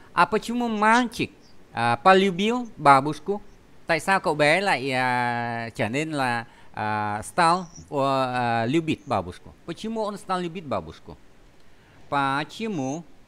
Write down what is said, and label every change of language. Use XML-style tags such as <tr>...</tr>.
<ru>А почему мальчик полюбил бабушку?</ru> <vi>Tại sao cậu bé lại trở nên là</vi> <ru>стал любить бабушку? Почему он стал любить бабушку? Почему?</ru>